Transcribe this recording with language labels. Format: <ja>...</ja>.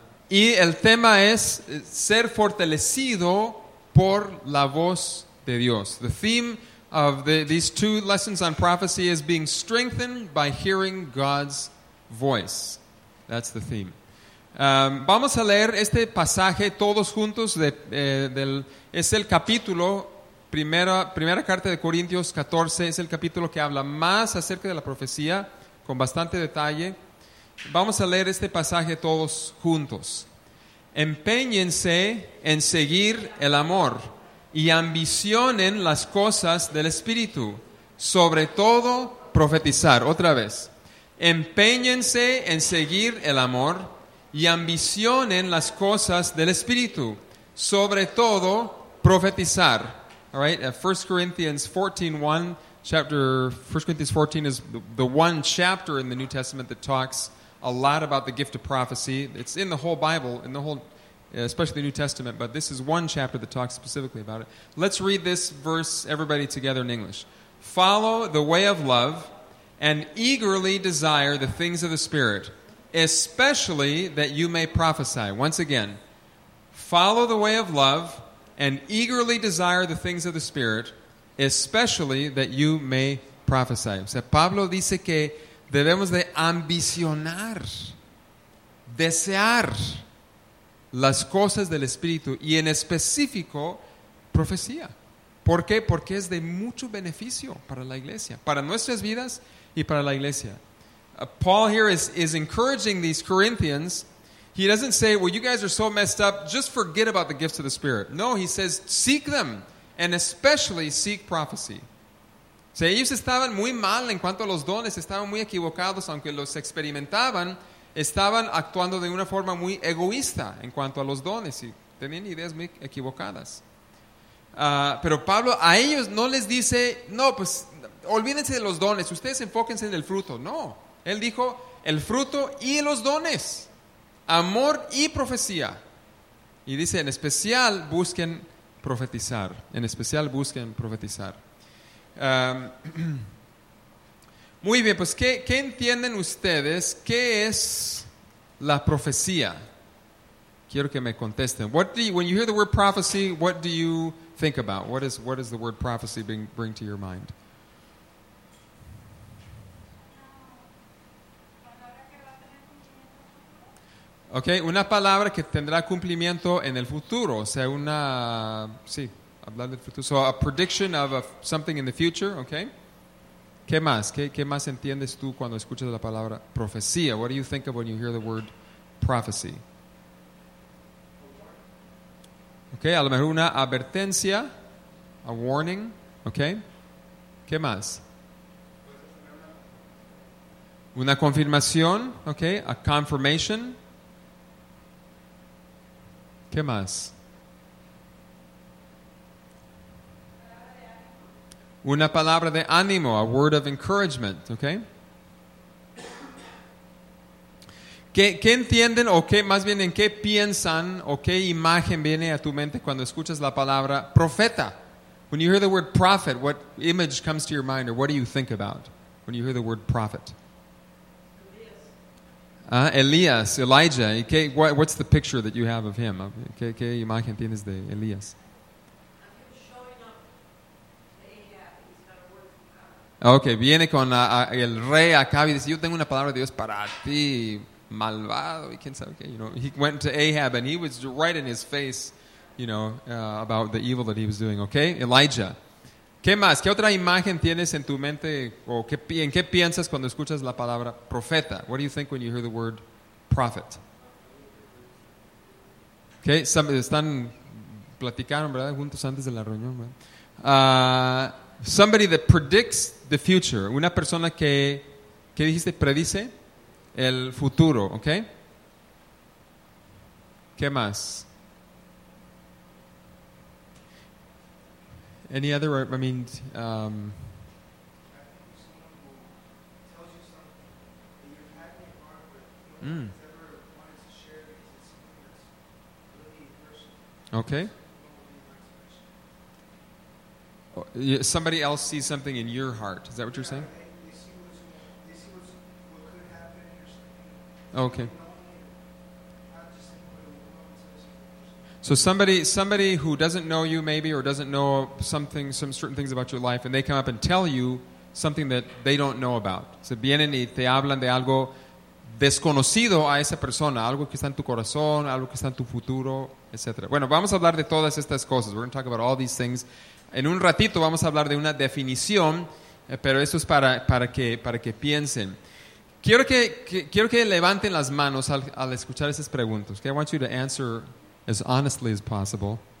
<es>Y el tema es ser fortalecido por la voz de Dios.</es> <en>The theme of these two lessons on prophecy is being strengthened by hearing God's voice. That's the theme.</en> <es>Vamos a leer este pasaje todos juntos. Es el capítulo, primera carta de Corintios 14, es el capítulo que habla más acerca de la profecía, con bastante detalle. Vamos a leer este pasaje todos juntos. Empéñense en seguir el amor y ambicionen las cosas del Espíritu, sobre todo profetizar. Otra vez. Empéñense en seguir el amor y ambicionen las cosas del Espíritu, sobre todo profetizar.</es> <en>All right, 1 Corinthians 14 is the one chapter in the New Testament that talks a lot about the gift of prophecy. It's in the whole Bible, in the whole, especially the New Testament, but this is one chapter that talks specifically about it. Let's read this verse, everybody together in English. Follow the way of love and eagerly desire the things of the Spirit, especially that you may prophesy. Once again, follow the way of love and eagerly desire the things of the Spirit, especially that you may prophesy.</en> <es>O sea, Pablo dice que debemos de ambicionar, desear las cosas del Espíritu, y en específico, profecía. ¿Por qué? Porque es de mucho beneficio para la iglesia, para nuestras vidas y para la iglesia.</es> <en>Paul here is encouraging these Corinthians. He doesn't say, well, you guys are so messed up, just forget about the gifts of the Spirit. No, he says, seek them, and especially seek prophecy.</en> <es>O sea, ellos estaban muy mal en cuanto a los dones, estaban muy equivocados, aunque los experimentaban, estaban actuando de una forma muy egoísta en cuanto a los dones, y tenían ideas muy equivocadas. Pero Pablo a ellos no les dice, no, pues, olvídense de los dones, ustedes enfóquense en el fruto. No, él dijo, el fruto y los dones. Amor y profecía. Y dice, en especial busquen profetizar. En especial busquen profetizar. Muy bien, pues, ¿qué entienden ustedes? ¿Qué es la profecía? Quiero que me contesten.</es> <en>When you hear the word prophecy, what do you think about? What is the word prophecy bring to your mind?</en> <es>Okay, una palabra que tendrá cumplimiento en el futuro, o sea, una, sí, hablar del futuro.</es> <en>So a prediction of something in the future, okay?</en> <es>¿Qué más? ¿Qué más entiendes tú cuando escuchas la palabra profecía?</es> <en>What do you think of when you hear the word prophecy?</en> <es>Okay, a lo mejor una advertencia,</es> <en>a warning,</en> <es>okay? ¿Qué más? Una confirmación, okay?</es> <en>A confirmation.</en> <es>¿Qué más? Una palabra de ánimo,</es> <en>a word of encouragement,</en> <es>okay? ¿Qué entienden o qué más bien en qué piensan o qué imagen viene a tu mente cuando escuchas la palabra profeta?</es> <en>When you hear the word prophet, what image comes to your mind or what do you think about when you hear the word prophet?</en> <es>Elías, Elijah.</es> <en>Okay, what's the picture that you have of him?</en> <es>¿Qué imagen tienes de Elías? Okay, viene con el rey Acab y dice, yo tengo una palabra de Dios para ti, malvado. Y quién sabe qué.</es> <en>You know, he went to Ahab and he was right in his face, you know, about the evil that he was doing. Okay, Elijah.</en> <es>¿Qué más? ¿Qué otra imagen tienes en tu mente o en qué piensas cuando escuchas la palabra profeta?</es> <en>What do you think when you hear the word prophet?</en> <es>Okay, están platicando, ¿verdad? Juntos antes de la reunión, ¿verdad?</es> <en>Somebody that predicts the future.</en> <es>Una persona que, ¿qué dijiste? Predice el futuro, ¿okay? ¿Qué más?</es> <en>Any other, I mean, someone who tells you something that you have in heart, but you never want to share. Okay. Somebody else sees something in your heart. Is that what you're saying? Okay. So somebody who doesn't know you maybe, or doesn't know something, some certain things about your life, and they come up and tell you something that they don't know about.</en> <es>Se vienen y te hablan de algo desconocido a esa persona, algo que está en tu corazón, algo que está en tu futuro, etc. Bueno, vamos a hablar de todas estas cosas.</es> <en>We're going to talk about all these things.</en> <es>En un ratito vamos a hablar de una definición, pero esto es para que piensen. Quiero que levanten las manos al escuchar esas preguntas.</es> <en>Okay, I want you to answer as honestly as possible.</en>